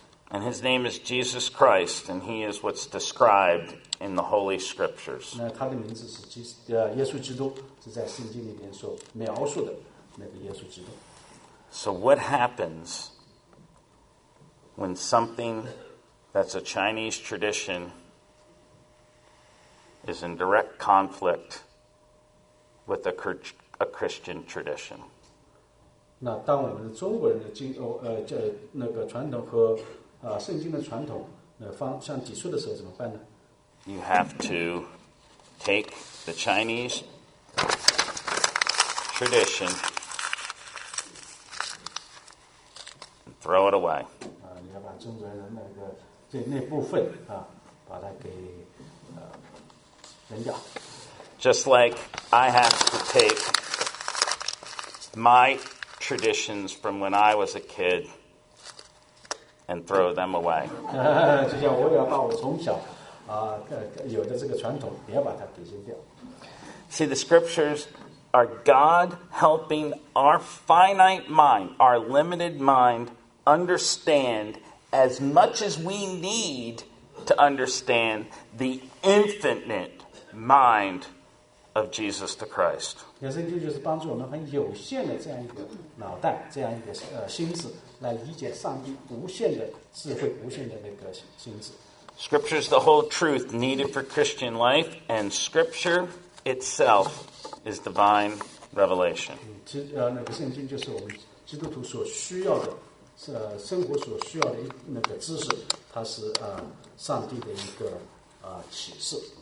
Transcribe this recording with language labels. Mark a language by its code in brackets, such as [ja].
[en] And his name is Jesus Christ, and he is what's described in the Holy Scriptures. [zh] 那他的名字是耶稣基督，是在圣经里面所描述的那个耶稣基督。 [en] So what happens when something that's a Chinese tradition is in direct conflict with a Christian tradition? [zh] 那当我们的中国人的那个传统和圣经的传统相抵触的时候怎么办呢？ [en] You have to take the Chinese tradition and throw it away. [zh] 你要把中国人的那部分把它给扔掉。 [en] Just like I have to take my traditions from when I was a kid and throw them away. [zh] 就像我也要把我从小有的这个传统也把它给扔掉。 [en] See, the scriptures are God helping our finite mind, our limited mind, understand as much as we need to understand the infinite mind of Jesus the Christ. [zh] 圣经就是帮助我们很有限的这样一个脑袋，这样一个心智来理解上帝无限的智慧，无限的那个心智。 [en] Scripture is the whole truth needed for Christian life, and Scripture itself is divine revelation. [zh] 那个圣经就是我们基督徒所需要的，生活所需要的那个知识，它是上帝的一个启示。